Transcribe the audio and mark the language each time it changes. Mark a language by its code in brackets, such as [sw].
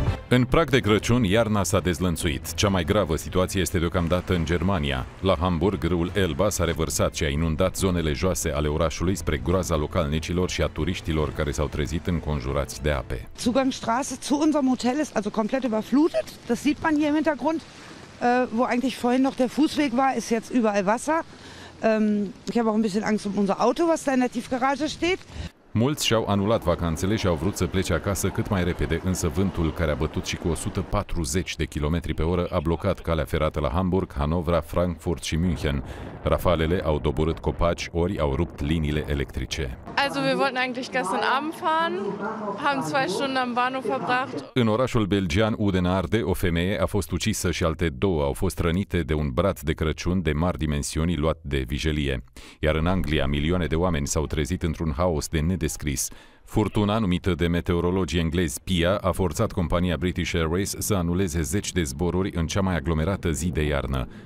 [ro] În prag de Crăciun, iarna s-a dezlănțuit. Cea mai gravă situație este deocamdată în Germania. La Hamburg, râul Elba s-a revărsat și a inundat zonele joase ale orașului spre groaza localnicilor și a turiștilor care s-au trezit înconjurați de ape. [de] Zugangstraße zu unserem Hotel ist also komplett überflutet. Das sieht man hier im Hintergrund, wo eigentlich vorhin noch der Fußweg war, ist jetzt überall Wasser. Ich habe auch ein bisschen Angst um unser Auto, was da in der Tiefgarage steht. [ro] Mulți și-au anulat vacanțele și au vrut să plece acasă cât mai repede, însă vântul, care a bătut și cu 140 de km pe oră, a blocat calea ferată la Hamburg, Hanovra, Frankfurt și München. Rafalele au doborât copaci, ori au rupt liniile electrice. [de] Also, wir wollten eigentlich gestern Abend fahren, haben zwei Stunden am Bahnhof verbracht. [ro] În orașul belgian Udenarde, o femeie a fost ucisă și alte două au fost rănite de un brad de Crăciun de mari dimensiuni luat de vijelie. Iar în Anglia, milioane de oameni s-au trezit într-un haos de nedescris. Furtuna, numită de meteorologii englezi Pia, a forțat compania British Airways să anuleze 10 de zboruri în cea mai aglomerată zi de iarnă.